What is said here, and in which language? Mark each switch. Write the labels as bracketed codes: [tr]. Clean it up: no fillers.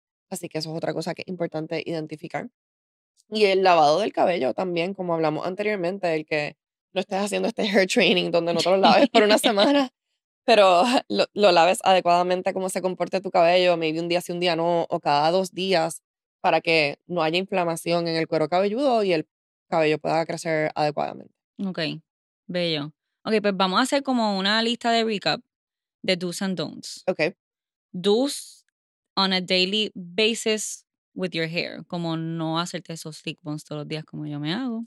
[es] Así que eso es otra cosa que es importante identificar. Y el lavado del cabello también, como hablamos anteriormente, el que no estés haciendo este hair training donde no te lo laves por una semana, pero lo laves adecuadamente como se comporte tu cabello, [en] maybe [es] un día sí, un día no, o cada dos días, para que no haya inflamación en el cuero cabelludo y el cabello pueda crecer adecuadamente. Ok, bello. Ok, pues vamos a hacer como una lista de recap de [en] do's and don'ts. Ok. Do's on a daily basis with your hair. [es] Como no hacerte esos [en] thick bones [es] todos los días como yo me hago.